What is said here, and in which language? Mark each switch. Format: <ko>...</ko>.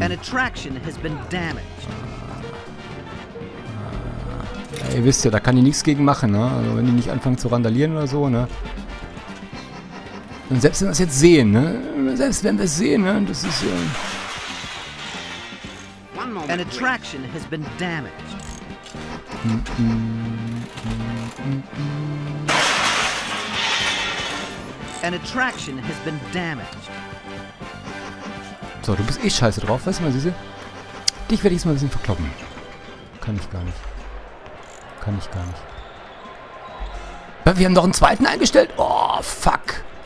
<en>An attraction has been damaged.</en> <de>Ja, ihr wisst ja, da kann ich nichts gegen machen, ne. Also, wenn die nicht anfangen zu randalieren oder so, ne. Und selbst wenn wir es jetzt sehen, ne? Selbst wenn wir es sehen, ne? Das ist ja.</de> <en>An attraction has been damaged. An attraction has been damaged.</en> <de>So, du bist eh scheiße drauf, weißt du mal, Süße? Dich werde ich jetzt mal ein bisschen verkloppen. Kann ich gar nicht. Aber wir haben doch einen zweiten eingestellt? Oh, fuck!</de>